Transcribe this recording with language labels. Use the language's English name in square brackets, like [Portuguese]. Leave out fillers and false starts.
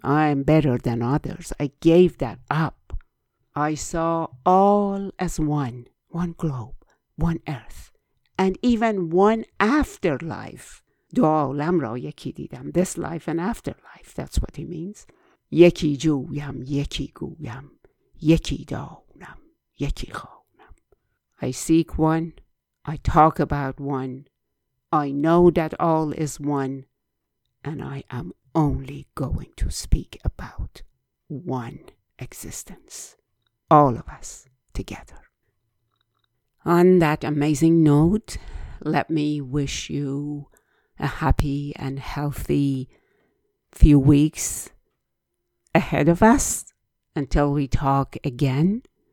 [English] I am better than others. I gave that up. I saw all as one, one globe, one earth, and even one afterlife. [Persian] دو عالم را یکی دیدم. [English] This life and afterlife, that's what he means. [Persian] یکی جویم، یکی گویم، یکی دانم، یکی خوانم. [English] I seek one, I talk about one, I know that all is one, and I am only going to speak about one existence. All of us together. On that amazing note, let me wish you a happy and healthy few weeks ahead of us until we talk again.